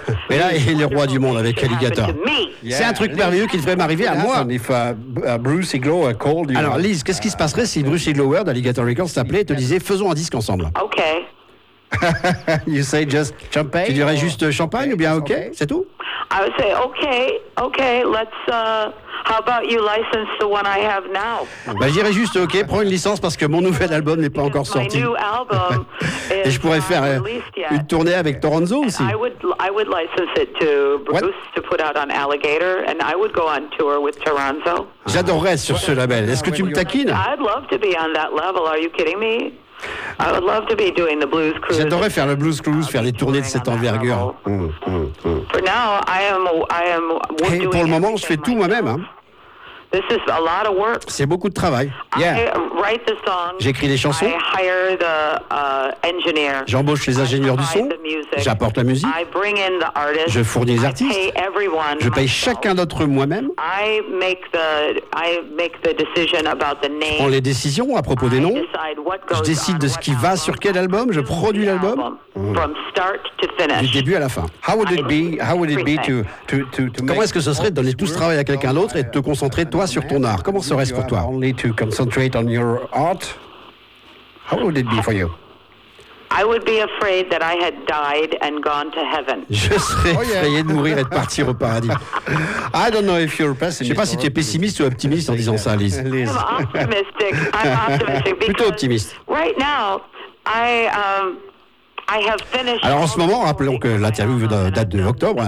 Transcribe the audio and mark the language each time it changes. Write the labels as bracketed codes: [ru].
[fr] Et là, il est le roi du monde avec Alligator. C'est un truc merveilleux qui devrait m'arriver à moi. [en] Bruce Iglauer called you. [fr] Alors, Liz, qu'est-ce qui se passerait si Bruce Iglauer d'Alligator Records t'appelait et te disait faisons un disque ensemble? [en] Ok. You say just champagne. [fr] Tu dirais juste champagne ou bien ok, c'est tout? [en] I would say ok, let's. How about you license the one I have now? [fr] Bah, j'irais juste ok, prends une licence parce que mon nouvel album n'est pas encore sorti. [en] My new album [fr] et je pourrais faire une tournée avec Torrenzo aussi. [en] I would license it to Bruce to put out on Alligator and I would go on tour with Torrenzo. [fr] J'adorerais sur ce label. Est-ce que tu me taquines? [en] I'd love to be on that level. Are you kidding me? I would love to be doing the blues cruise. [fr] J'adorerais faire le blues cruise, faire des tournées de cette envergure. [en] For now, I am doing. [fr] Pour le moment, je fais tout moi-même. [en] This is a lot of work. [fr] C'est beaucoup de travail. [en] Yeah. I write the songs. [fr] J'écris les chansons. [en] I hire the engineer. [fr] J'embauche les ingénieurs du son. J'apporte la musique. [en] I bring in the artists. [fr] Je fournis les artistes. [en] I pay everyone. [fr] Je paye chacun d'entre eux moi-même. [en] I make the decision about the name. [fr] Je prends les décisions à propos des noms. Je décide de ce qui va sur quel album. Je produis l'album. [en] From start to finish. [fr] Du début à la fin. [en] How would it be to [fr] comment est-ce que ce serait de donner tout ce travail à quelqu'un d'autre et de te concentrer toi sur ton art? Comment serait-ce pour toi? [en] Only to concentrate on your art. How would it be for you? I would be afraid that I had died and gone to heaven. [fr] Je serais effrayé de mourir et de partir au paradis. [en] I don't know if you're pessimist. [fr] Je sais pas si tu es pessimiste ou optimiste en disant ça, Liz. [en] I'm optimistic. [fr] Plutôt optimiste. [en] Right now, I have finished. [fr] Alors en ce moment, rappelons que l'interview date de octobre.